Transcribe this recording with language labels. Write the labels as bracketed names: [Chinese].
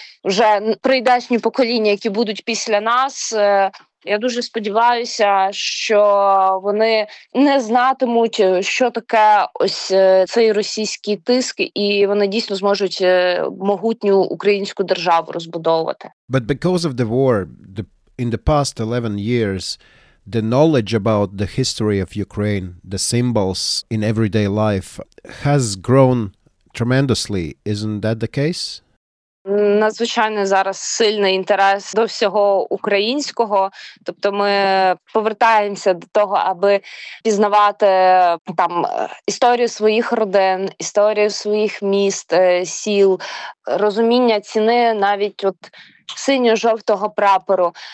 [Ukrainian] Вже прийдешні покоління, які будуть після нас – я дуже сподіваюся, що вони не знатимуть, що таке ось цей російський тиск, і вони дійсно зможуть могутню українську державу розбудовувати. [English] But because of the war, in the past 11 years, the knowledge about the history of Ukraine, the symbols in everyday life has grown tremendously. Isn't that the case? [Ukrainian] Надзвичайно зараз сильний інтерес до всього українського. Тобто ми повертаємося до того, аби пізнавати там історію своїх родин, історію своїх міст, сіл, розуміння ціни навіть от синьо-жовтого прапору.